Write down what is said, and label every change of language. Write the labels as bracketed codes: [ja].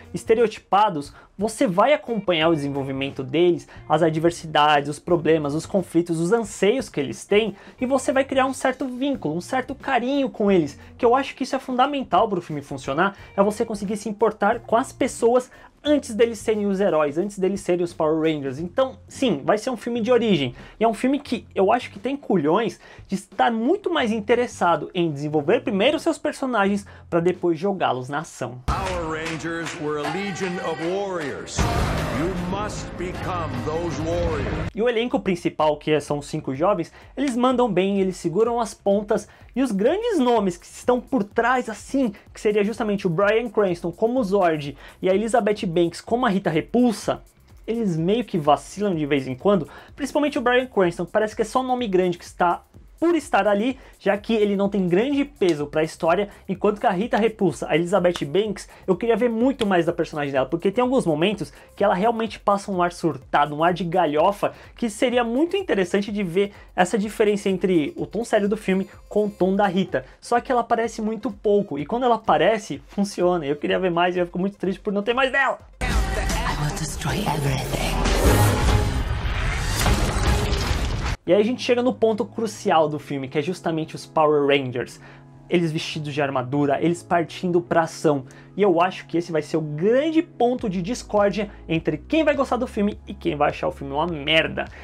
[pt] estereotipados, você vai acompanhar o desenvolvimento deles, as adversidades, os problemas, os conflitos, os anseios que eles têm, e você vai criar um certo vínculo, um certo carinho com eles, que eu acho que isso é fundamental para o filme funcionar, é você conseguir se importar com as pessoas antes deles serem os heróis, antes deles serem os Power Rangers. Então, sim, vai ser um filme de origem. E é um filme que eu acho que tem culhões de estar muito mais interessado em desenvolver primeiro seus personagens para depois jogá-los na ação. [en] Power Rangers were a legion of warriors. You must become those warriors. [pt] E o elenco principal, que são os 5 jovens, eles mandam bem, eles seguram as pontas. E os grandes nomes que estão por trás, assim, que seria justamente o Bryan Cranston como Zord e a Elizabeth Banks como a Rita Repulsa, eles meio que vacilam de vez em quando, principalmente o Bryan Cranston, que parece que é só um nome grande que está por estar ali, já que ele não tem grande peso para a história, enquanto que a Rita Repulsa, a Elizabeth Banks, eu queria ver muito mais da personagem dela, porque tem alguns momentos que ela realmente passa um ar surtado, um ar de galhofa, que seria muito interessante de ver essa diferença entre o tom sério do filme com o tom da Rita. Só que ela aparece muito pouco, e quando ela aparece, funciona. Eu queria ver mais e eu fico muito triste por não ter mais dela. [en] I will destroy everything. [pt] E aí a gente chega no ponto crucial do filme, que é justamente os Power Rangers. Eles vestidos de armadura, eles partindo pra ação. E eu acho que esse vai ser o grande ponto de discórdia entre quem vai gostar do filme e quem vai achar o filme uma merda.